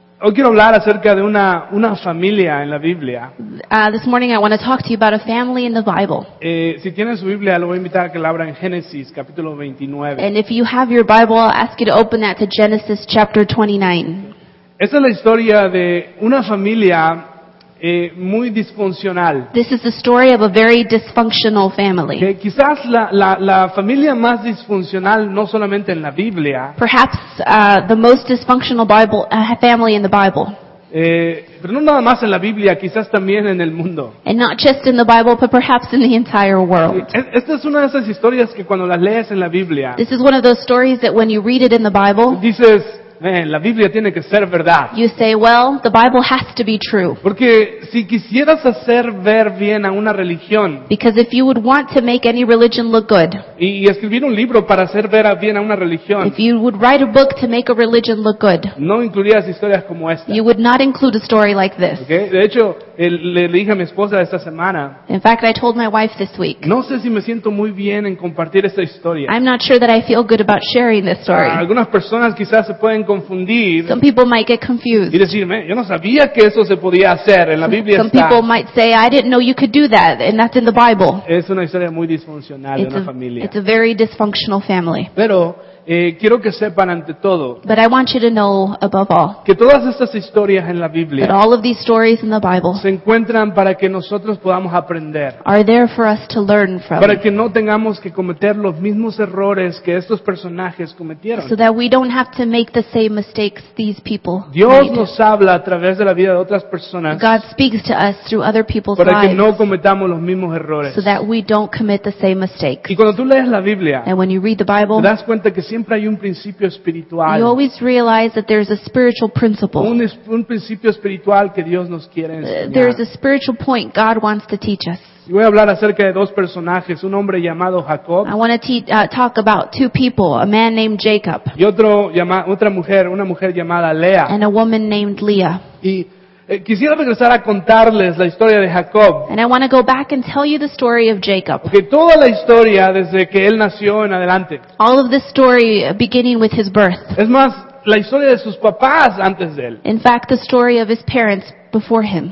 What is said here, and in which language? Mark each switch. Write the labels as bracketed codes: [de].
[es] Hoy quiero hablar acerca de una familia en la Biblia. [en] This morning I want to talk to you about a family in the Bible. [es] Si tienen su Biblia, lo voy a invitar a que la abra en Génesis, capítulo 29. [en] And if you have your Bible, I'll ask you to open that to Genesis, chapter 29. [es] Esta es la historia de una familia muy disfuncional. [en] This is the story of a very dysfunctional family. [es] Que quizás la familia más disfuncional no solamente en la Biblia. [en] Perhaps the most dysfunctional Bible family in the Bible. [es] Pero no nada más en la Biblia, quizás también en el mundo. [en] And not just in the Bible, but perhaps in the entire world. [es] Esta es una de esas historias que cuando las lees en la Biblia. [en] This is one of those stories that when you read it in the Bible. [es] Dices, man, la Biblia tiene que ser verdad. [en] You say, well, the Bible has to be true. [es] Porque si quisieras hacer ver bien a una religión. [en] Because if you would want to make any religion look good. [es] Y escribir un libro para hacer ver bien a una religión. [en] If you would write a book to make a religion look good. [es] No incluirías historias como esta. [en] You would not include a story like this. Okay? [es] De hecho, le dije a mi esposa esta semana. [en] In fact, I told my wife this week. [es] No sé si me siento muy bien en compartir esta historia. [en] I'm not sure that I feel good about sharing this story. [es] Algunas personas quizás se pueden confundir. [en] Some people might get confused. [es] Y decirme, yo no sabía que eso se podía hacer en la Biblia. [en] Some people might say, I didn't know you could do that, and that's in the Bible. [es] Es una historia muy disfuncional de una familia. [en] It's a very dysfunctional family. [es] Pero quiero que sepan ante todo. [en] But I want you to know above all. [es] Que todas estas historias en la Biblia. [en] That all of these stories in the Bible. [es] Se encuentran para que nosotros podamos aprender. [en] Are there for us to learn from. [es] Para que no tengamos que cometer los mismos errores que estos personajes cometieron. [en] So that we don't have to make the same mistakes these people made. [es] Dios nos habla a través de la vida de otras personas. [en] God speaks to us through other people's lives. [es] Para que no cometamos los mismos errores. [en] So that we don't commit the same mistakes. [es] Y cuando tú lees la Biblia. [en] And when you read the Bible. [es] Te das cuenta que siempre hay un principio espiritual. [en] You always realize that there's a spiritual principle. [es] Un principio espiritual que Dios nos quiere enseñar. [en] There's a spiritual point God wants to teach us. [es] Y voy a hablar acerca de dos personajes, un hombre llamado Jacob. [en] I want to talk about two people, a man named Jacob. [es] Y otra mujer llamada Lea. [en] And a woman named Leah. [es] Y quisiera regresar a contarles la historia de Jacob. [en] And I want to go back and tell you the story of Jacob. [es] Okay, toda la historia desde que él nació en adelante. [en] All of the story beginning with his birth. [es] Es más, la historia de sus papás antes de él. [en] In fact, the story of his parents before him.